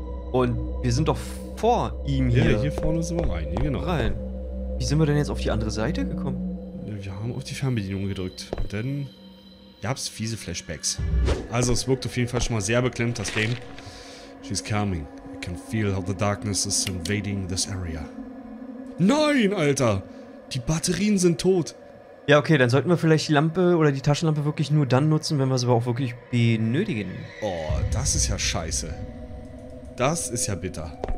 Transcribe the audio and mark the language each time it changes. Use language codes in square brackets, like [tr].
[de] Und wir sind doch vor ihm hier. Ja, hier vorne sind wir rein. Hier genau. Rein. Wie sind wir denn jetzt auf die andere Seite gekommen? Wir haben auf die Fernbedienung gedrückt. Und dann. Gab's fiese Flashbacks. Also, es wirkt auf jeden Fall schon mal sehr beklemmt, das Game. [en] She's coming. I can feel how the darkness is invading this area. [de] Nein, Alter! Die Batterien sind tot! Ja, okay, dann sollten wir vielleicht die Lampe oder die Taschenlampe wirklich nur dann nutzen, wenn wir sie aber auch wirklich benötigen. Oh, das ist ja scheiße. Das ist ja bitter.